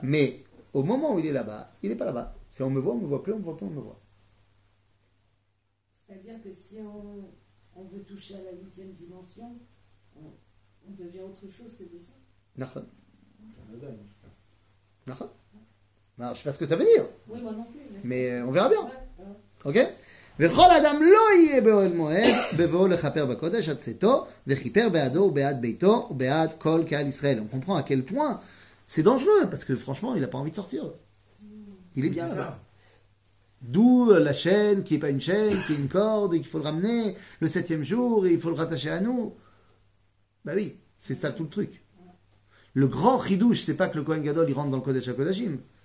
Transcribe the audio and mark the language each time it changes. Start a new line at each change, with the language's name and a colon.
French: Mais au moment où il est là-bas, il n'est pas là-bas. Si on me voit, on ne me voit plus, on ne me voit plus, on me voit. C'est-à-dire que si on veut toucher à la huitième dimension, on devient autre chose que des hommes. D'accord. Je ne sais pas ce que ça veut dire. Oui, moi non plus. Mais on verra bien. Ok?
Hebrew: וכול אדם לא יהיה באוהל מועד בבואו לכפר בקודש עד צאתו וכיפר בעדו ובעד ביתו ובעד כל קהל ישראל.
French: On comprend à quel point c'est dangereux, parce que franchement il n'a pas envie de sortir. Il est bien là. D'où la chaîne qui n'est pas une chaîne, qui est une corde et qu'il faut le ramener le septième jour et il faut le rattacher à nous. Bah oui, c'est ça tout le truc. Le grand chidouche, c'est pas que le Kohen Gadol il rentre dans le Kodesh HaKodashim.